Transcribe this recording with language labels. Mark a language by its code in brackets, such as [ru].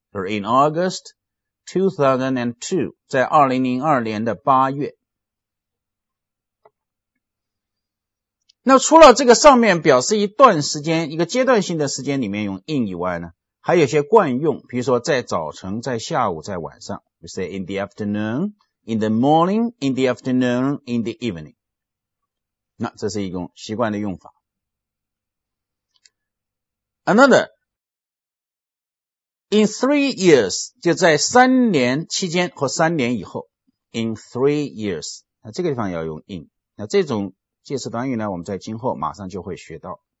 [en] For in August,2002, [zh] 在2002年的8月。那除了这个上面表示一段时间，一个阶段性的时间里面用 in 以外呢，还有些惯用，比如说在早晨，在下午，在晚上。 [en] We say in the afternoon, in the morning, in the afternoon, in the evening. [zh] 那这是一种习惯的用法。 [en] Another,In 3 years, [zh] 就在三年期间或三年以后。 [en] In 3 years, [zh] 那这个地方要用 in。那这种介词短语呢，我们在今后马上就会学到。